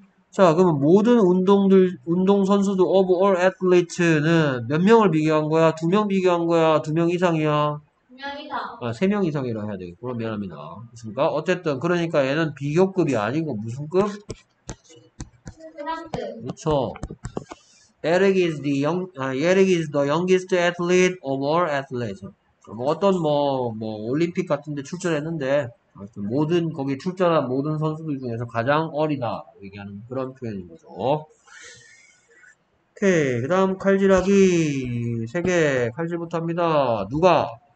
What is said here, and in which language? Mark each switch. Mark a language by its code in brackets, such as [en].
[ko] 자, 그러면 모든 운동 선수들 overall athlete는 몇 명을 비교한 거야? 두 명 비교한 거야? 두 명 이상이야? 2명 이상. 아, 세 명 이상이라 해야 되겠구나. 미안합니다. 있습니까? 어쨌든 그러니까 얘는 비교급이 아니고 무슨 급? 3등. 그렇죠. [en] Eric is the young, Eric is the youngest athlete of all athletes. [ko] 어떤 뭐 올림픽 같은데 출전했는데 모든 거기 출전한 모든 선수들 중에서 가장 어리다 얘기하는 그런 표현인 거죠. 오케이, 그다음 칼질하기 세 개 칼질부터 합니다. 누가?